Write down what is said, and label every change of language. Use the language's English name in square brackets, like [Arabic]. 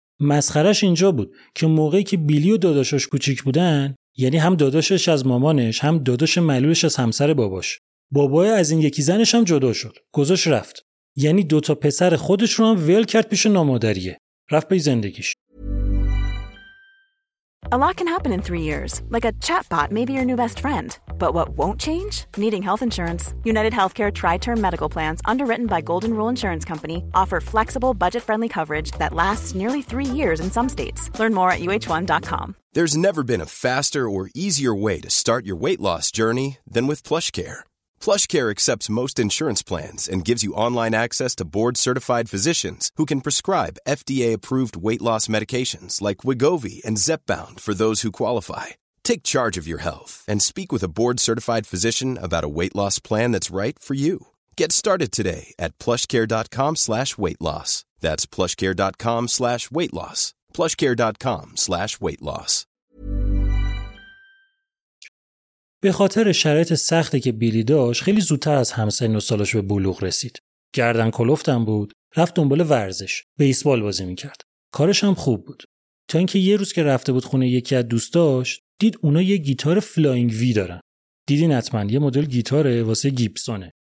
[Persian] مسخرش اینجا بود که موقعی که بیلی و داداشش کوچیک بودن، یعنی هم داداشش از مامانش هم داداش معلولش از همسر باباش، بابای از این یکی زنش هم جدا شد، گذاش رفت. یعنی دوتا پسر خودش رو هم ول کرد پیش نامادریه، رفت به زندگیش. [English] A lot can happen in 3 years, like a chatbot may be your new best friend. But what won't change? Needing health insurance. United Healthcare Tri-Term Medical Plans, underwritten by Golden Rule Insurance Company, offer flexible, budget-friendly coverage that lasts nearly 3 years in some states. Learn more at uh1.com. There's never been a faster or easier way to start your weight loss journey than with PlushCare. PlushCare accepts most insurance plans and gives you online access to board-certified physicians who can prescribe FDA-approved weight loss medications like Wegovy and Zepbound for those who qualify. Take charge of your health and speak with a board-certified physician about a weight loss plan that's right for you. Get started today at PlushCare.com/weightloss. That's PlushCare.com/weightloss. PlushCare.com/weightloss. [Persian] به خاطر شرایط سختی که بیلی داشت خیلی زودتر از همسن و سالش به بلوغ رسید. گردن کلفتم بود، رفت دنبال ورزش، بیسبال بازی میکرد. کارش هم خوب بود. تا اینکه یه روز که رفته بود خونه یکی از دوستاش، دید اونا یه گیتار فلاینگ وی دارن. دیدین حتما یه مدل گیتاره واسه گیبسونه.